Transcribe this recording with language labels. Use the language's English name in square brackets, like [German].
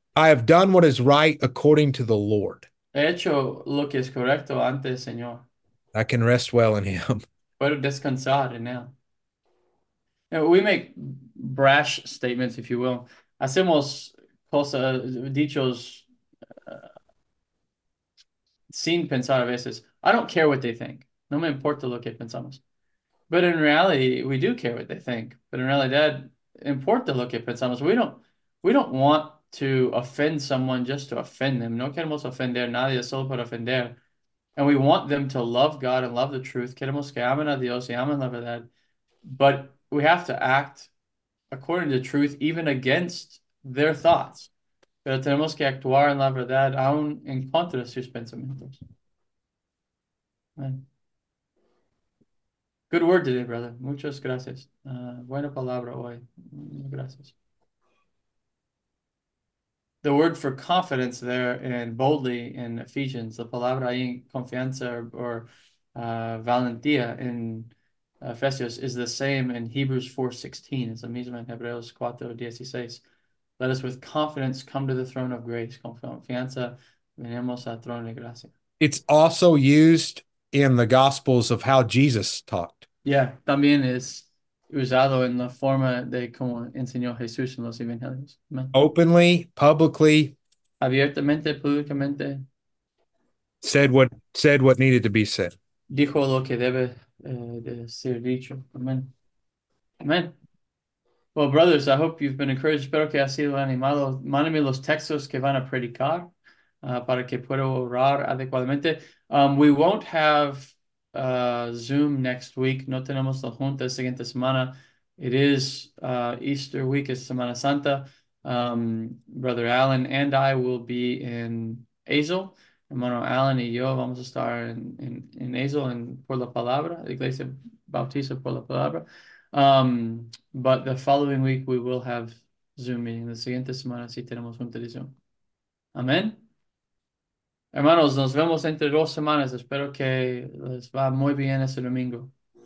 [English] I have done what is right according to the Lord. [Spanish] He hecho lo que es correcto ante el Señor. [English] I can rest well in Him. [Spanish] Puedo descansar en él. [English] Now, we make brash statements, if you will. [Spanish] Hacemos cosas, dichos, sin pensar a veces. [English] I don't care what they think. [Spanish] No me importa lo que pensamos. [English] But in reality, we do care what they think. But in [Spanish] realidad, importa lo que pensamos. [English] We don't want to offend someone just to offend them. [Spanish] No queremos ofender nadie solo para ofender. [English] And we want them to love God and love the truth. [Spanish] Queremos que amen a Dios y amen la verdad. [English] But we have to act according to truth, even against their thoughts. [Spanish] Pero tenemos que actuar en la verdad aún en contra de sus pensamientos. [English] Good word today, brother. [Spanish] Muchas gracias. Buena palabra hoy. Gracias. [English] The word for confidence there in boldly in Ephesians, the [Spanish] palabra ahí en confianza [English] or valentía in Ephesians is the same in Hebrews 4:16. It's the misma in Hebreos 4:16. Let us with confidence come to the throne of grace. [Spanish] Con confianza venimos al trono de gracia. [English] It's also used in the Gospels of how Jesus talked. [Spanish] Yeah, también es usado en la forma de cómo enseñó Jesús en los evangelios. [English] Amen. Openly, publicly. [Spanish] Abiertamente, públicamente. [English] Said what needed to be said. [Spanish] Dijo lo que debe de ser dicho. Amen. Amen. [English] Well, brothers, I hope you've been encouraged. [Spanish] Espero que ha sido animado. Mándame los textos que van a predicar para que pueda orar adecuadamente. [English] We won't have Zoom next week. [Spanish] No tenemos la junta la siguiente semana. [English] It is Easter week. [Spanish] Es Semana Santa. [English] Brother Alan and I will be in Azle. [Spanish] Hermano Alan y yo vamos a estar en Azle en Por la Palabra, Iglesia Bautista Por la Palabra. [English] But the following week we will have Zoom meeting. [Spanish] La siguiente semana sí tenemos junta de Zoom. Amén. Hermanos, nos vemos entre dos semanas. Espero que les va muy bien ese domingo.